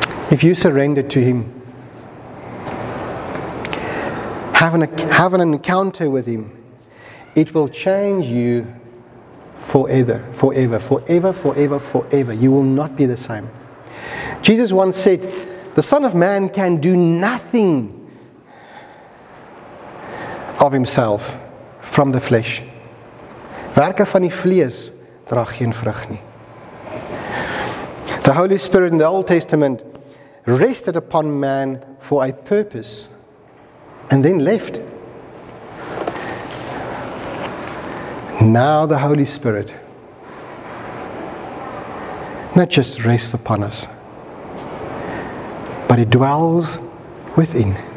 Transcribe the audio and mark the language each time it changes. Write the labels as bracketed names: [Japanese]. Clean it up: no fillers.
[English] If you surrender to him, have an encounter with him, it will change you forever, forever, forever, forever, forever. You will not be the same. Jesus once said, "The Son of Man can do nothing of himself from the flesh. [Afrikaans] Werke van die vlees dra geen vrug nie." [English] The Holy Spirit in the Old Testament rested upon man for a purpose and then left. Now the Holy Spirit not just rests upon us, but it dwells within.